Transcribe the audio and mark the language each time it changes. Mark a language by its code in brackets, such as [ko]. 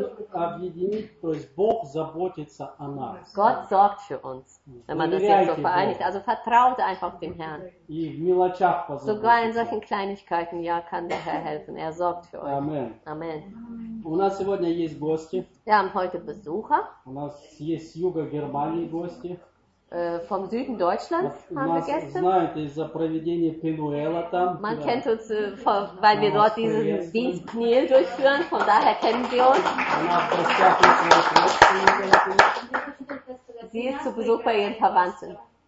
[ru] Объединить, то есть Бог заботится о нас. [de] Gott sorgt für uns, wenn man das jetzt so vereinigt. Also vertraut einfach dem Herrn. [ru] И в мелочах позаботиться. [de] Sogar in solchen Kleinigkeiten, ja, kann der Herr helfen. Er sorgt für euch. Amen. Amen. [ru] У нас сегодня есть гости. [de] Wir haben heute Besucher. [ru] У нас есть с юга Германии гости. [de] Vom Süden Deutschlands haben wir Gäste. [ru] Знают из-за проведения Пенуэла там. [de] Man kennt uns, weil wir dort diesen Dienst Пенуэл durchführen. Von daher kennen sie uns. Sie ist zu Besuch bei ihren Verwandten.